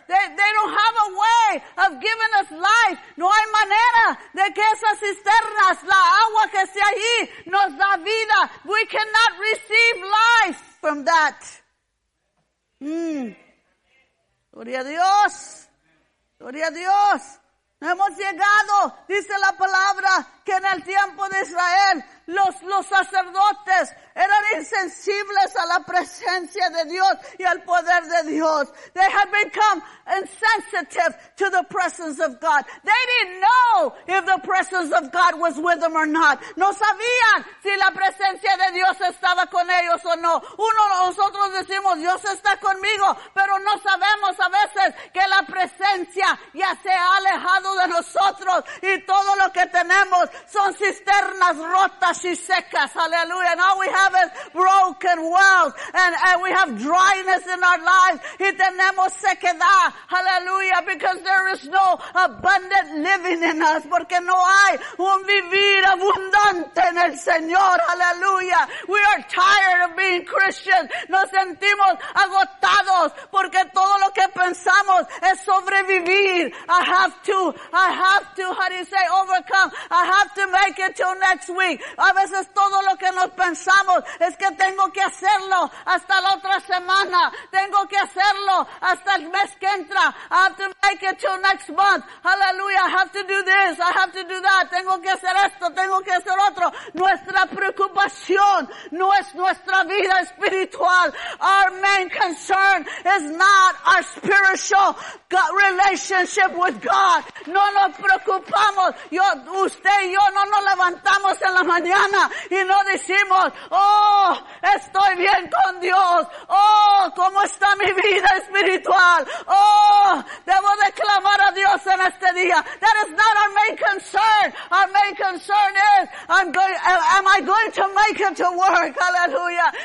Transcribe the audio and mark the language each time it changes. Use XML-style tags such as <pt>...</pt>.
<en>They don't have a way of giving us life.</en> <es>No hay manera de que esas cisternas, la agua que esté allí, nos da vida.</es> <en>We cannot receive life from that.</en> <es>Gloria a Dios. Gloria a Dios. Hemos llegado, dice la palabra, que en el tiempo de Israel, los sacerdotes eran insensibles a la presencia de Dios y al poder de Dios.</es> <en>They had become insensitive to the presence of God. They didn't know if the presence of God was with them or not.</en> <es>No sabían si la presencia de Dios estaba con ellos o no. Uno, nosotros decimos, Dios está conmigo, pero no sabemos a veces que la presencia ya se ha alejado de nosotros y todo lo que tenemos son cisternas rotas.</es> <en>She's secas, hallelujah. And all we have is broken wells. And we have dryness in our lives.</en> <es>Y tenemos sequedad,</es> <en>hallelujah. Because there is no abundant living in us.</en> <es>Porque no hay un vivir abundante en el Señor, hallelujah.</es> <en>We are tired of being Christians.</en> <es>Nos sentimos agotados. Porque todo lo que pensamos es sobrevivir.</es> <en>I have to, how do you say, overcome. I have to make it till next week.</en> <es>A veces todo lo que nos pensamos es que tengo que hacerlo hasta la otra semana. Tengo que hacerlo hasta el mes que entra.</es> <en>I have to make it till next month. Hallelujah. I have to do this. I have to do that.</en> <es>Tengo que hacer esto. Tengo que hacer nosotros, nuestra preocupación no es nuestra vida espiritual.</es> <en>Our main concern is not our spiritual relationship with God.</en> <es>No nos preocupamos. Yo, usted y yo no nos levantamos en la mañana y no decimos, oh, estoy bien con Dios. Oh, ¿cómo está mi vida espiritual? Oh, debo de clamar a Dios en este día.</es> <en>That is not our main concern. Our main concern is, am I going to make it to work? Hallelujah.</en>